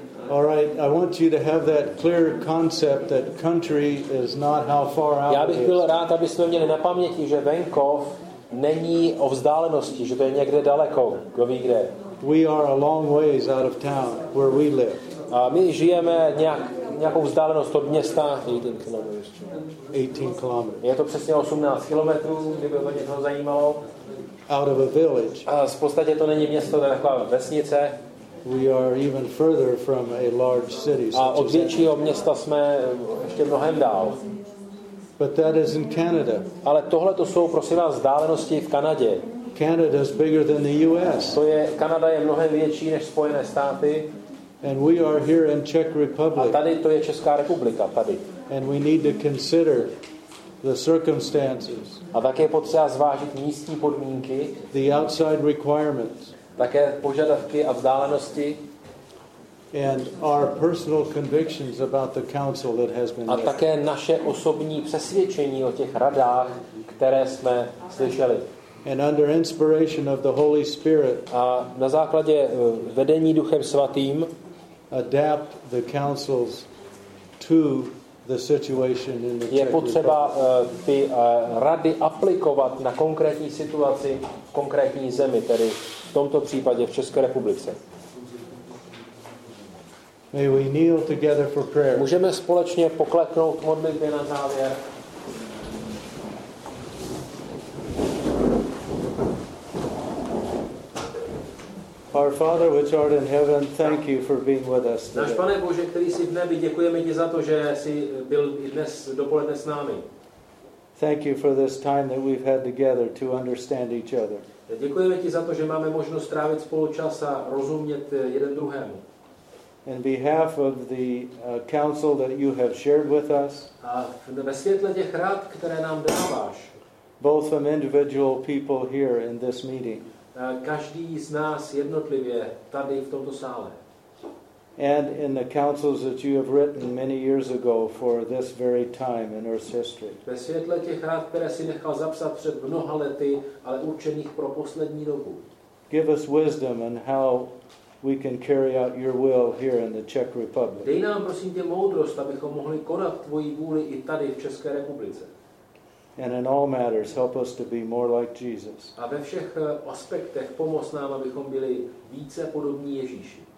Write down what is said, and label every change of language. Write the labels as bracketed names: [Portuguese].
[English] All right, I want you to have that clear concept that country is not how far out. [Czech] Já bych byl rád, abyste měli na paměti, že venkov není o vzdálenosti, že to je někde daleko, kdo ví kde. [English] We are a long ways out of town where we live. [Czech] A my žijeme nějakou vzdálenost od města 18 kilometrů. Je to přesně 18 kilometrů, kdyby to někoho zajímalo. [English] Out of a village. [Czech] A v podstatě to není město, to je taková vesnice. [English] We are even further from a large city. [Czech] A od většího města jsme ještě mnohem dál. [English] But that is in Canada. [Czech] Ale tohle to jsou, prosím vás, vzdálenosti v Kanadě. [English] Canada is bigger than the US. [Czech] Kanada je mnohem větší než Spojené státy. [English] And we are here in Czech Republic. [Czech] A tady to je Česká republika tady. [English] And we need to consider the circumstances. [Czech] A také potřeba zvážit místní podmínky. [English] The outside requirements. [Czech] Také požadavky a vzdálenosti. [English] And our personal convictions about the council that has been. [Czech] A také naše osobní přesvědčení o těch radách, které jsme slyšeli. [English] And under inspiration of the Holy Spirit. [Czech] A na základě vedení Duchem Svatým. [English] Adapt the council's to the situation in the [Czech] je potřeba ty rady aplikovat na konkrétní situaci v konkrétní zemi, tedy v tomto případě v České republice. [English] May we kneel together for prayer. [Czech] Můžeme společně pokleknout modlitbě na závěr. [English] Our Father, which art in heaven, thank you for being with us today. [Czech] Náš Pane Bože, který jsi v nebi, děkujeme ti za to, že jsi byl i dnes dopoledne s námi. [English] Thank you for this time that we've had together to understand each other. [Czech] Děkujeme ti za to, že máme možnost strávit spolu čas a rozumět jeden druhému. [English] In behalf of the counsel that you have shared with us. [Czech] A ve světle těch rad, které nám dáváš. [English] Both from individual people here in this meeting. [Czech] Každý z nás jednotlivě tady v tomto sále. [English] And in the councils that you have written many years ago for this very time in Earth's history. [Czech] Ve světle těch rad, které si nechal zapsat před mnoha lety, ale určených pro poslední dobu. [English] Give us wisdom and how we can carry out your will here in the Czech Republic. [Czech] Dej nám prosím tě moudrost, abychom mohli konat tvoji vůli i tady v České republice. [English] And in all matters, help us to be more like Jesus. [Czech] A ve všech aspektech pomoz nám, abychom byli více podobní Ježíši.